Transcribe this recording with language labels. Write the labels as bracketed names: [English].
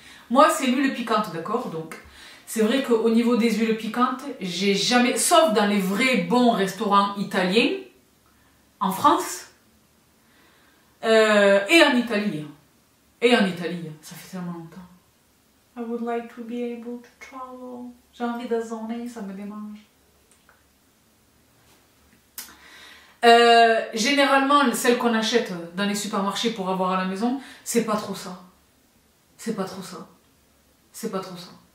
[French] Moi, c'est l'huile piquante, d'accord? Donc, c'est vrai qu'au niveau des huiles piquantes, j'ai jamais... Sauf dans les vrais bons restaurants italiens, en France, et en Italie. Et en Italie, ça fait tellement longtemps. [English] I would like to be able to travel. [French] J'ai envie de zoner, ça me démange. Généralement, celle qu'on achète dans les supermarchés pour avoir à la maison, c'est pas trop ça. C'est pas trop ça. C'est pas trop ça.